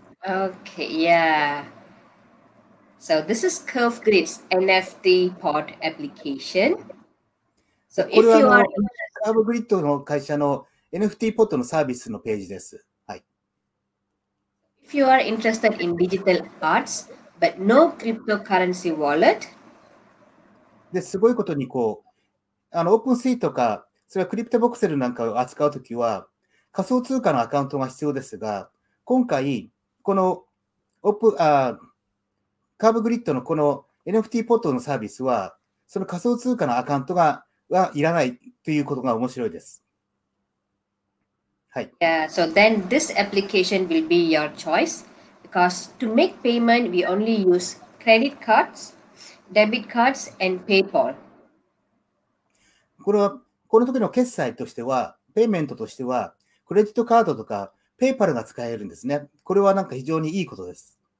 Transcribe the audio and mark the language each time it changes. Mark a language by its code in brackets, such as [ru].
[en] Okay, yeah. So this is Curvegrid's NFT port application. So if you are [ja] Curvegrid の会社の NFT ポートのサービスのページです。 [en] If you are interested in digital arts but no cryptocurrency wallet, [ja] ですごいことにこうOpenSeaとかそれはクリプトボクセルなんかを扱うときは仮想通貨のアカウントが必要ですが、今回このCurvegrid のこの NFT ポートのサービスはその仮想通貨のアカウントがはいらないということが面白いです。 [en] Yeah, so then this application will be your choice because to make payment, we only use credit cards, debit cards, and PayPal. [ja] これはこの時の決済としては、ペイメントとしては、クレジットカードとか PayPal が使えるんですね。これはなんか非常にいいことです。